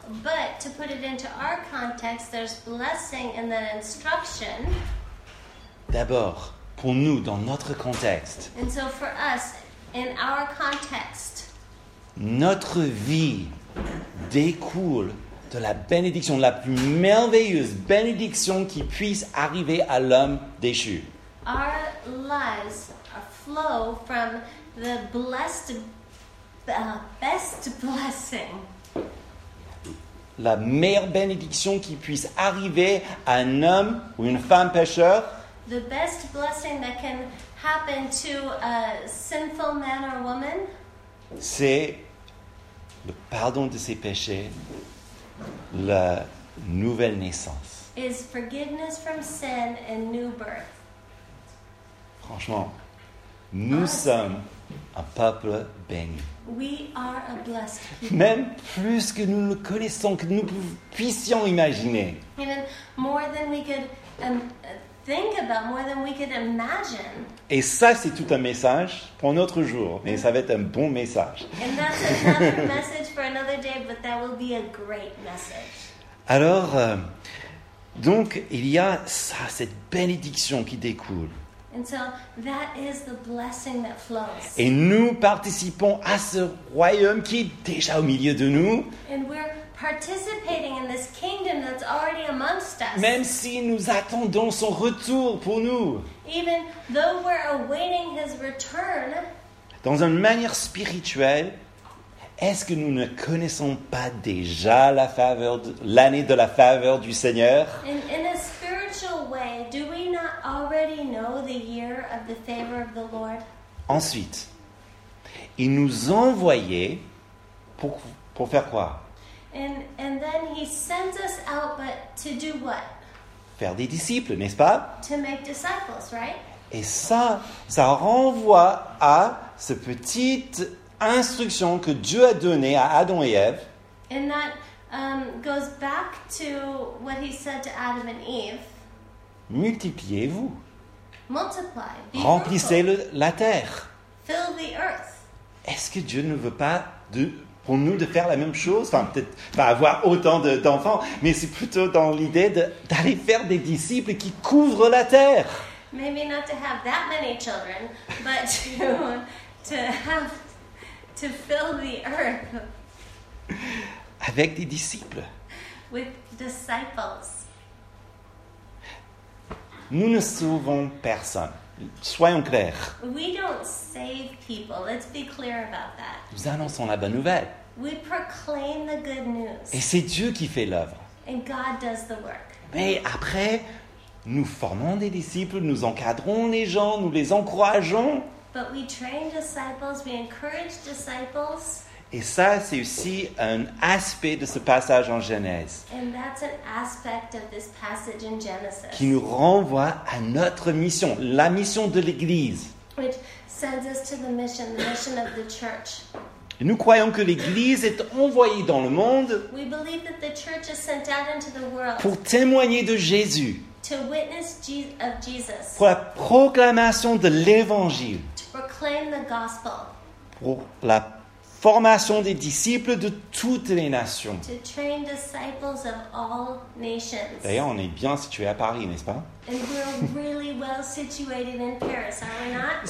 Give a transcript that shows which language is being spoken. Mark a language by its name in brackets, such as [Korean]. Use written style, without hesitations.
[English] But to put it into our context, there's blessing and then instruction. [French] D'abord, pour nous, dans notre contexte. [English] And so for us, in our context, [French] notre vie découle de la bénédiction, de la plus merveilleuse bénédiction qui puisse arriver à l'homme déchu. [English] Our lives flow from the blessed, best blessing. [French] La meilleure bénédiction qui puisse arriver à un homme ou une femme pécheur. [English] The best blessing that can happen to a sinful man or woman, [French] c'est le pardon de ses péchés, la nouvelle naissance. [English] Is forgiveness from sin and new birth. [French] Franchement, nous sommes un peuple béni. [English] We are a blessed people. [French] Même plus que nous le connaissons, que nous puissions imaginer. [English] Even more than we could think about, more than we could imagine. [French] Et ça, c'est tout un message pour un autre jour. Mais ça va être un bon message. [English] And that's another message for another day, but that will be a great message. [French] Alors, donc, il y a ça, cette bénédiction qui découle. [English] And so, that is the blessing that flows. [French] Et nous participons à ce royaume qui est déjà au milieu de nous. [English] And we're participating in this kingdom that's already amongst us. [French] Même si nous attendons son retour pour nous. [English] Even though we're awaiting his return. [French] Dans une manière spirituelle, est-ce que nous ne connaissons pas déjà la faveur de, l'année de la faveur du Seigneur? [English] In a spiritual way, do we not already know the year of the favor of the Lord? [French] Ensuite, il nous envoyait pour faire quoi? [English] And then he sends us out, but to do what? [French] Faire des disciples, n'est-ce pas? [English] To make disciples, right? [French] Et ça renvoie à ce petit instruction que Dieu a donnée à Adam et Ève. [English] And that goes back to what he said to Adam and Eve. [French] Multipliez-vous. [English] Multiply. [French] Remplissez la terre. [English] Fill the earth. [French] Est-ce que Dieu ne veut pas pour nous de faire la même chose? Enfin, peut-être pas avoir autant d'enfants, mais c'est plutôt dans l'idée d'aller faire des disciples qui couvrent la terre. [English] Maybe not to have that many children, but to have to fill the earth [French] avec des disciples. [English] With disciples. [French] Nous ne sauvons personne. Soyons clairs. [English] We don't save people. Let's be clear about that. [French] Nous annonçons la bonne nouvelle. [English] We proclaim the good news. [French] Et c'est Dieu qui fait l'œuvre. [English] And God does the work. [French] Mais après, nous formons des disciples, nous encadrons les gens, nous les encourageons. [English] But we train disciples, we encourage disciples. [French] Et ça, c'est aussi un aspect de ce passage en Genèse. [English] And that's an aspect of this passage in Genesis. [French] Qui nous renvoie à notre mission, la mission de l'Église. [English] Which sends us to the mission of the church. [French] Et nous croyons que l'Église est envoyée dans le monde. [English] We believe that the church is sent out into the world. [French] Pour témoigner de Jésus. [English] To witness of Jesus. [French] Pour la proclamation de l'Évangile. [English] To proclaim the gospel. [French] Pour la formation des disciples de toutes les nations. [English] To train disciples of all nations. [French] D'ailleurs, on est bien situé à Paris, n'est-ce pas? [English] And we're really well situated in Paris, are we not?